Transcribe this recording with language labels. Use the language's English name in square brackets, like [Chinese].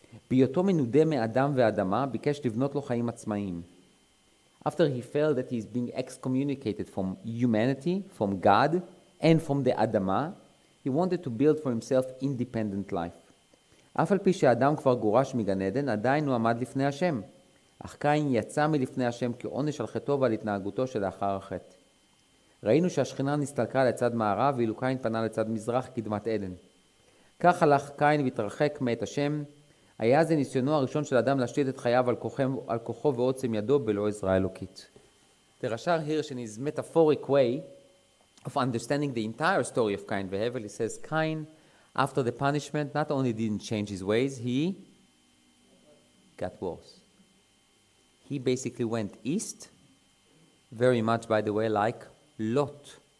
[Hebrew] ביותו מנודה מאדם ואדמה, ביקש לבנות לו חיים עצמאיים. [English] After he felt that he's being excommunicated from humanity, from God, and from the אדמה, he wanted to build for himself independent life. [Hebrew] אף על פי שאדם כבר גורש מגן עדן, עדיין הוא עמד לפני השם. אך קין יצא מלפני השם כעונש על חטאו ועל התנהגותו שלאחר החטא. ראינו שהשכינה נסתלקה לצד מערב, ואילו קין פנה לצד מזרח קדמת עדן. כך הלך קין והתרחק מאת השם. היה זה ניסיונו הראשון של אדם להשליט את חייו על כוחו ועוצם ידו בלא עזרה אלוקית. [English] The Rashar Hirsch in his metaphoric way of understanding the entire story of Cain Behevel, he says, Cain, after the punishment, not only didn't change his ways, he got worse. He basically went east, very much, by the way, like Lot.